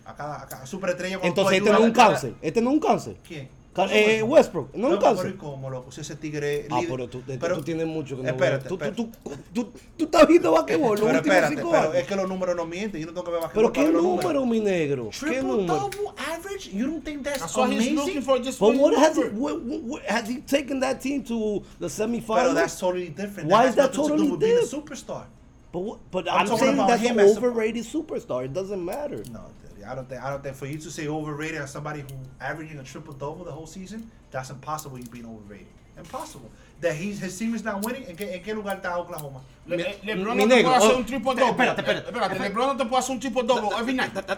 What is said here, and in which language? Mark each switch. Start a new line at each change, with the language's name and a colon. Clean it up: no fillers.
Spanish: A cada superestrella. Entonces este no es un cáncer. Este no es un cáncer. ¿Quién? Westbrook. No es un cáncer. Pero cómo lo puse ese tigre. Pero tú tienes mucho que no. Espérate. Tú estás viendo basquetbol. Pero espérate, pero es que los números no mienten. Yo no tengo que ver basquetbol. Pero qué número, mi negro. ¿Qué número?
English: Triple double average. You don't think that's amazing? But what has he taken that team to the semifinals? But that's totally different. Why is that totally different? Being a superstar. But I'm saying that's an overrated superstar. It doesn't matter. No, I don't think for you to say overrated as somebody who averaging a triple double the whole season, that's impossible. You being overrated, impossible. That his team is not winning.
Spanish: ¿En qué lugar está Oklahoma? LeBron no te puede hacer un triple double. Espérate. LeBron no te puede hacer un triple double
English: every night.